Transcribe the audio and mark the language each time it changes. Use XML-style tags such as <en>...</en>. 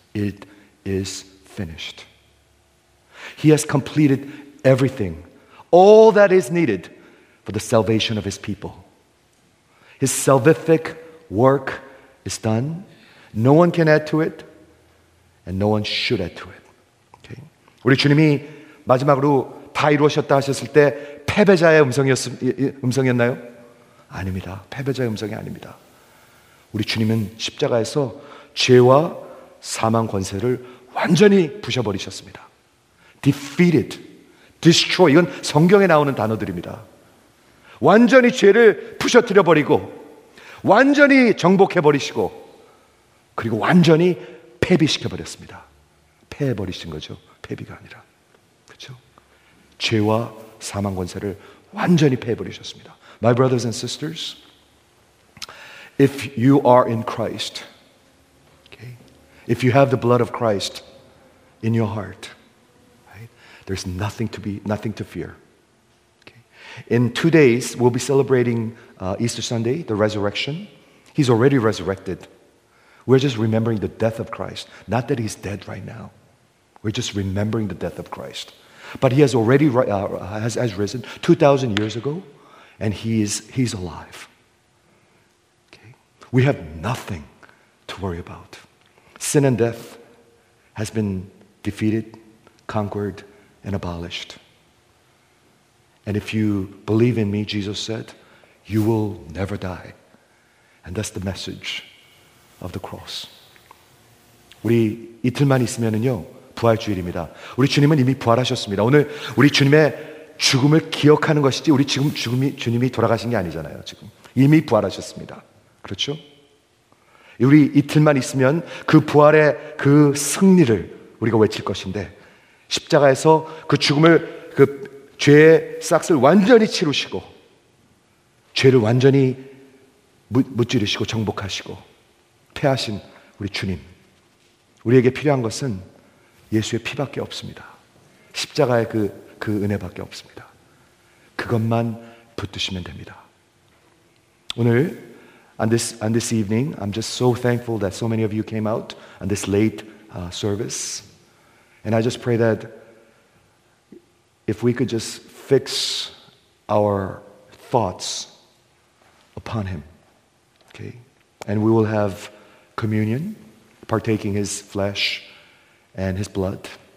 <en>It is finished. He has completed everything, all that is needed for the salvation of his people. His salvific work is done. No one can add to it, and no one should add to it. Okay?</en> <ko>우리 주님이 마지막으로 다 이루어졌다 하셨을 때 패배자의 음성이었나요? 아닙니다. 패배자의 음성이 아닙니다. 우리 주님은 십자가에서 죄와 사망 권세를 완전히 부셔버리셨습니다.</ko> <en>Defeated, destroy,</en> <ko>이건 성경에 나오는 단어들입니다. 완전히 죄를 부셔뜨려버리고 완전히 정복해버리시고 그리고 완전히 패배시켜버렸습니다. 패해버리신 거죠. 패배가 아니라. 그렇죠? 죄와 사망 권세를 완전히 패해버리셨습니다.</ko> <en>My brothers and sisters, if you are in Christ, okay, if you have the blood of Christ in your heart, right, there's nothing to fear. Okay. In 2 days, we'll be celebrating Easter Sunday, the resurrection. He's already resurrected. We're just remembering the death of Christ. Not that he's dead right now. We're just remembering the death of Christ. But he has already has risen 2,000 years ago, and he's alive. Okay? We have nothing to worry about. Sin and death has been defeated, conquered, and abolished. And if you believe in me, Jesus said, you will never die. And that's the message of the cross.</en> <ko>우리 이틀만 있으면은요. 부활주일입니다. 우리 주님은 이미 부활하셨습니다. 오늘 우리 주님의 죽음을 기억하는 것이지 우리 지금 주님이 돌아가신 게 아니잖아요. 지금 이미 부활하셨습니다. 그렇죠? 우리 이틀만 있으면 그 부활의 그 승리를 우리가 외칠 것인데 십자가에서 그 죽음을 그 죄의 싹스를 완전히 치루시고 죄를 완전히 무찌르시고 정복하시고 패하신 우리 주님 우리에게 필요한 것은 예수의 피밖에 없습니다. 십자가의 그 은혜밖에 없습니다. 그것만 붙드시면 됩니다. 오늘</ko> <en>on this evening, I'm just so thankful that so many of you came out on this late service, and I just pray that if we could just fix our thoughts upon Him, okay, and we will have communion, partaking His flesh. And his blood.</en>